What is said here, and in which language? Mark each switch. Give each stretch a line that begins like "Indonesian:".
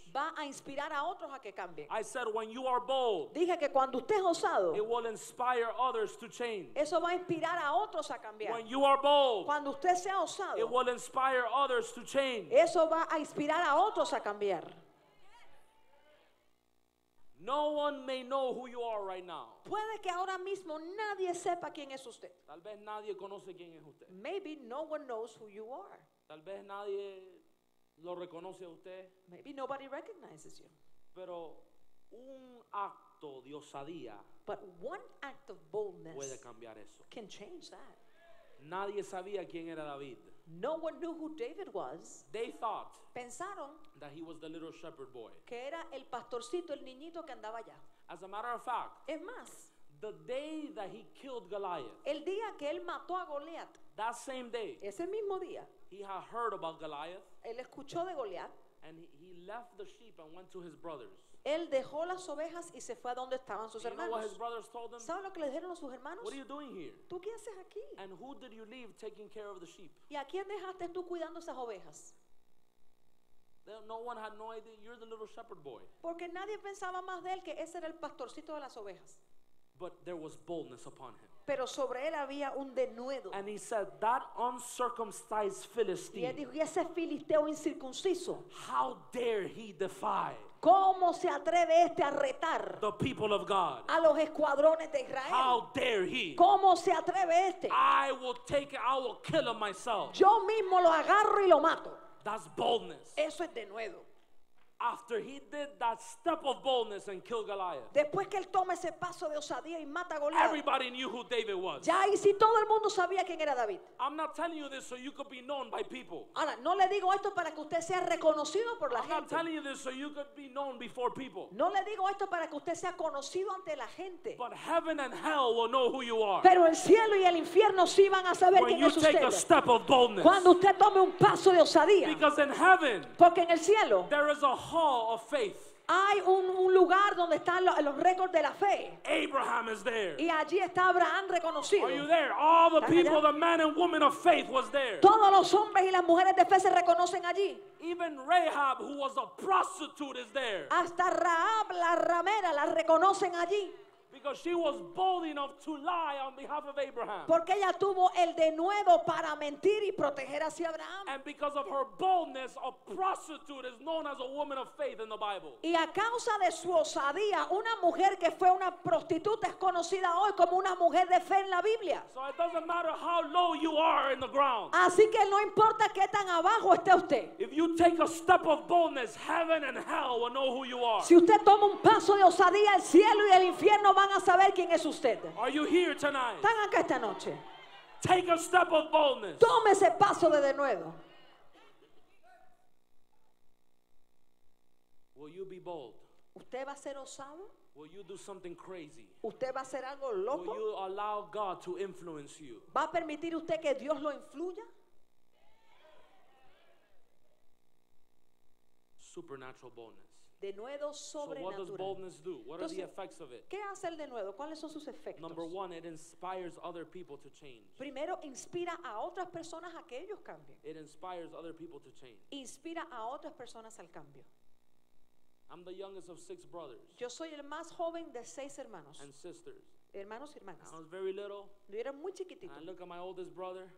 Spanish: Va a inspirar a otros a que cambien.
English: I said when you are bold.
Spanish: Dije que cuando usted es osado.
English: It will inspire others to change.
Spanish: Eso va a inspirar a otros a cambiar.
English: When you are bold.
Spanish: Cuando usted sea osado.
English: It will inspire others to change.
Spanish: Eso va a inspirar a otros a cambiar.
English: No one may know who you are right now.
Spanish: Puede que ahora mismo nadie sepa quién es usted. Tal vez nadie conoce quién es usted.
English: Maybe no one knows who you are.
Spanish: Tal vez nadie lo reconoce a usted.
English: Maybe nobody recognizes you.
Spanish: Pero un acto de osadía.
English: But one act of boldness
Spanish: puede cambiar eso.
English: Can change that.
Spanish: Nadie sabía quién era David.
English: No one knew who David was. They thought
Spanish: Pensaron
English: that he was the little shepherd boy.
Spanish: Que era el pastorcito, el niñito que andaba allá.
English: As a matter of fact,
Spanish: es más,
English: the day that he killed Goliath,
Spanish: el día que él mató a Goliath,
English: that same day,
Spanish: ese mismo día,
English: he had heard about Goliath,
Spanish: él escuchó de Goliath,
English: and he left the sheep and went to his brothers.
Spanish: Él dejó las ovejas y se fue a donde estaban sus hermanos. ¿Sabes lo que le dijeron a sus hermanos?
English: What are you doing here?
Spanish: ¿Tú qué haces aquí?
English: And who did you leave taking care of the sheep?
Spanish: ¿Y a quién dejaste tú cuidando esas ovejas?
English: No one had no idea. You're the little shepherd boy.
Spanish: Porque nadie pensaba más de él que ese era el pastorcito de las ovejas.
English: But there was boldness upon him.
Spanish: Pero sobre él había un denuedo.
English: And he said, that uncircumcised Philistine.
Spanish: Y él dijo, y ese filisteo incircunciso.
English: How dare he defy?
Spanish: ¿Cómo se atreve este a retar
English: the people of God?
Spanish: A los escuadrones de Israel.
English: How dare he?
Spanish: ¿Cómo se atreve este?
English: I will take it, I will kill him myself.
Spanish: Yo mismo lo agarro y lo mato.
English: That's boldness.
Spanish: Eso es denuedo.
English: After he did that step of boldness and killed Goliath.
Spanish: Después que él toma ese paso de osadía y mata a Goliath.
English: Everybody knew who David was.
Spanish: Ya y si todo el mundo sabía quién era David.
English: I'm not telling you this so you could be known by people.
Spanish: Ahora, no le digo esto para que usted sea reconocido por la
English: I'm
Spanish: gente.
English: I'm not telling you this so you could be known before people.
Spanish: No le digo esto para que usted sea conocido ante la gente.
English: But heaven and hell will know who you are.
Spanish: Pero el cielo y el infierno sí van a saber
English: when
Spanish: quién es usted.
English: When you take a step of boldness.
Spanish: Cuando usted tome un paso de osadía.
English: Because in heaven.
Spanish: Porque en el cielo.
English: There is a of faith.
Spanish: Hay un lugar donde están los récords de la fe.
English: Abraham is there.
Spanish: Y allí está Abraham reconocido.
English: Are you there? All the people, allá? The men and women of faith was there.
Spanish: Todos los hombres y las mujeres de fe se reconocen allí.
English: Even Rahab, who was a prostitute, is there.
Spanish: Hasta Rahab, la ramera, la reconocen allí.
English: Because she was bold enough to lie on behalf of Abraham.
Spanish: Porque ella tuvo el denuedo para mentir y proteger hacia Abraham.
English: And because of her boldness, a prostitute is known as a woman of faith in the Bible.
Spanish: Y a causa de su osadía, una mujer que fue una prostituta es conocida hoy como una mujer de fe en la Biblia.
English: So it doesn't matter how low you are in the ground.
Spanish: Así que no importa qué tan abajo esté usted.
English: If you take a step of boldness, heaven and hell will know who you are.
Spanish: Si usted toma un paso de osadía, el cielo y el infierno van a saber quién es usted.
English: Are you here tonight?
Spanish: Están acá esta noche.
English: Take a step of boldness.
Spanish: Tome ese paso de denuedo.
English: Will you be bold?
Spanish: ¿Usted va a ser osado?
English: Will you do something crazy?
Spanish: ¿Usted va a hacer algo loco?
English: Will you allow God to influence you?
Spanish: ¿Va a permitir usted que Dios lo influya?
English: Supernatural boldness.
Spanish: Denuedo sobrenatural.
English: So what does boldness do? What
Spanish: Entonces,
English: are the effects of it?
Spanish: ¿Qué hace el denuedo? ¿Cuáles son sus efectos?
English: Number one, it inspires other people to change.
Spanish: Primero, inspira a otras personas a que ellos cambien.
English: It inspires other people to change.
Spanish: Inspira a otras personas al cambio.
English: I'm the youngest of six brothers.
Spanish: Yo soy el más joven de seis hermanos.
English: And sisters.
Spanish: Hermanos y hermanas.
English: I was very little.
Spanish: Yo era muy chiquitito.
English: And I look at my oldest brother.